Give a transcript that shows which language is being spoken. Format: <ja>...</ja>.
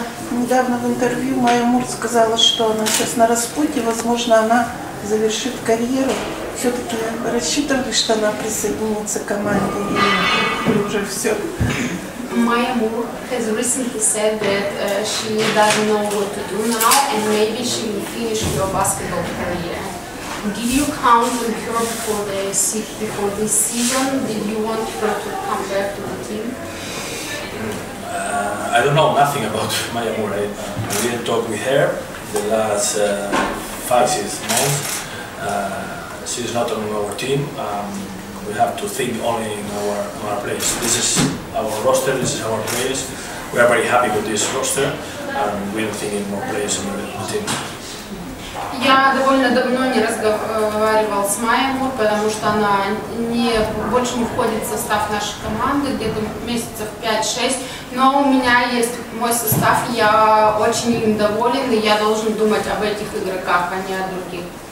<ru>Недавно в интервью Майя Мур сказала, что она сейчас на распутье, возможно, она завершит карьеру. Все-таки рассчитывали, что она присоединится к команде и уже все.</ru> <en>Майя Мур has recently said that she doesn't know what to do now and maybe she will finish her basketball career. Did you count on her before this season? Did you want her to come back to the team? I don't know nothing about Maya Moore. I didn't talk with her the last 5-6 months. She's not on our team. We have to think only in our place. This is our roster, this is our place. We are very happy with this roster and we don't think in more players on the team.</en> <ru>Я довольно давно не разговаривал с Майей Мур, потому что она больше не входит в состав нашей команды, где-то месяцев 5-6. Но у меня есть мой состав, я очень им доволен, и я должен думать об этих игроках, а не о других.</ru>